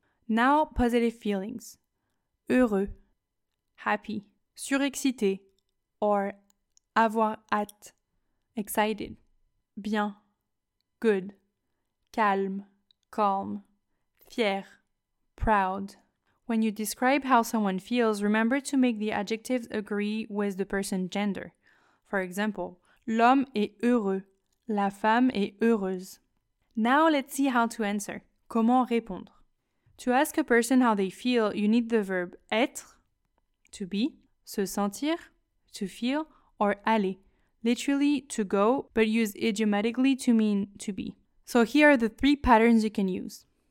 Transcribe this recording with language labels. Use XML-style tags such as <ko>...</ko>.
<en>Now positive feelings. Heureux, happy, surexcité, or avoir hâte, excited, bien, good, calme, calm, fier, proud. When you describe how someone feels, remember to make the adjectives agree with the person's gender. For example,</en> <fr>l'homme est heureux, la femme est heureuse.</fr> <en>Now let's see how to answer.</en> <fr>Comment répondre?</fr> <en>To ask a person how they feel, you need the verb être, to be, se sentir, to feel, or aller, literally to go, but used idiomatically to mean to be. So here are the three patterns you can use.</en>